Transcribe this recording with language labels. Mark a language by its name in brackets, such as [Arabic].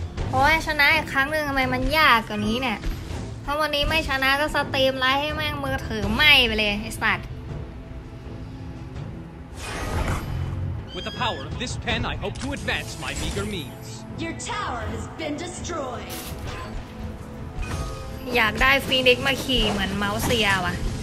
[Thai] โอ้ยชนะอีกครั้งหนึ่งทำไมมันยากกว่านี้เนี่ยถ้าวันนี้ไม่ชนะก็สตรีมไลฟ์ให้แม่งมือถือไหม้ไปเลยไอ้สัตว์ [English] With the power of this pen I hope to advance my meager means Your tower has been destroyed [Thai] อยากได้ฟีนิกซ์มาขี่เหมือนเมาส์เซียว่ะ